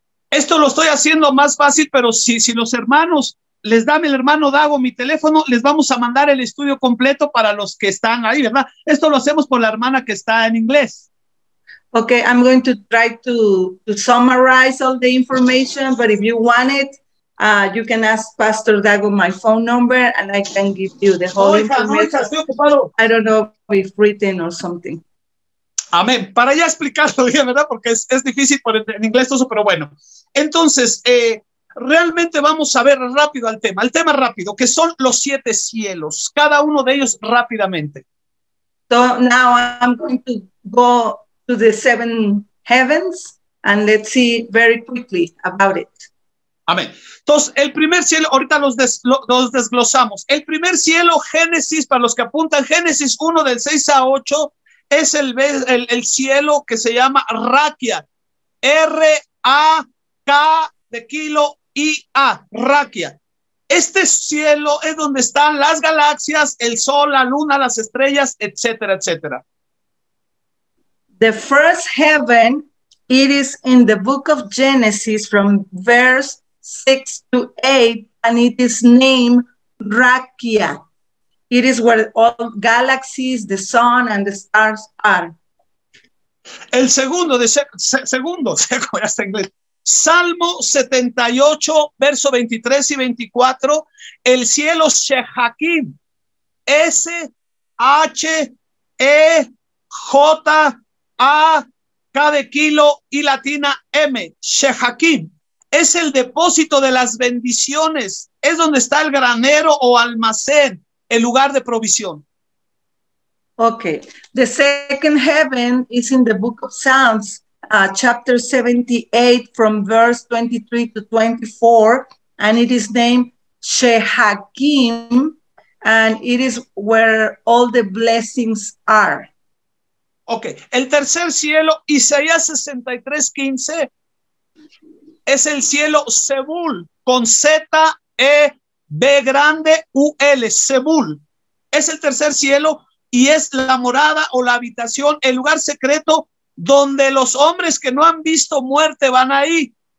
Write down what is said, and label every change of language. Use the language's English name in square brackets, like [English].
[Spanish] Esto lo estoy haciendo más fácil, pero si los hermanos, les dame el hermano Dago mi teléfono, les vamos a mandar el estudio completo para los que están ahí, ¿verdad? Esto lo hacemos por la hermana que está en inglés. [English] Okay, I'm going to try to summarize all the information, but if you want it, you can ask Pastor Dago my phone number and I can give you the whole information. I don't know if written or something. [Spanish] Amén. Para ya explicarlo, ¿verdad? Porque es difícil por en inglés todo eso, pero bueno. Entonces, realmente vamos a ver rápido al tema. El tema rápido, que son los 7 cielos. Cada uno de ellos rápidamente. [English] So now I'm going to go to the 7 heavens and let's see very quickly about it. [Spanish] Amén. Entonces, el primer cielo, ahorita los desglosamos. El primer cielo, Génesis, para los que apuntan, Génesis 1 del 6 a 8, es el cielo que se llama Rakia. R-A-K de kilo, y a Raquia. Este cielo es donde están las galaxias, el sol, la luna, las estrellas, etcétera, etcétera. [English] The first heaven, it is in the book of Genesis from verse 6 to 8, and it is named Raquia. It is where all galaxies, the sun, and the stars are. [Spanish] El segundo, segundo, Salmo 78, verso 23 y 24, el cielo Shehakim, S-H-E-J-A-K de kilo y latina M, Shehakim, es el depósito de las bendiciones, es donde está el granero o almacén, el lugar de provisión. [English] Okay, the second heaven is in the book of Psalms, chapter 78, from verse 23 to 24, and it is named Shehakim, and it is where all the blessings are. [Spanish] Okay, el tercer cielo, Isaías 63, 15, es el cielo Zebul, con Z-E-B-U-L, Zebul, es el tercer cielo. Y es la morada o la habitación, el lugar secreto donde los hombres que no han visto muerte van ahí.